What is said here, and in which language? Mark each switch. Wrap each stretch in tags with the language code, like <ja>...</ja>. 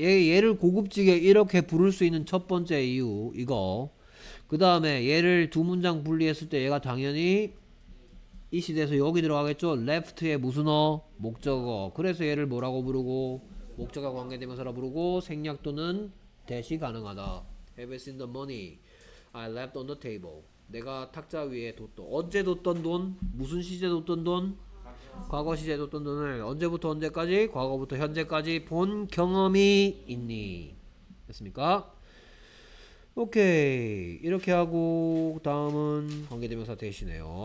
<ko>얘를 고급지게 이렇게 부를 수 있는 첫 번째 이유 이거. 그 다음에 얘를 두 문장 분리했을 때 얘가 당연히 이 시대에서 여기 들어가겠죠. left의 무슨 어? 목적어. 그래서 얘를 뭐라고 부르고 목적어 관계대명사라 부르고 생략 또는 대시 가능하다.</ko> <en>Have you seen the money I left on the table?</en> <ko>내가 탁자 위에 뒀던 언제 뒀던 돈? 무슨 시제 뒀던 돈? 과거 시제 뒀던 돈을 언제부터 언제까지? 과거부터 현재까지 본 경험이 있니? 됐습니까? 오케이. 이렇게 하고 다음은 관계대명사 대시네요.</ko>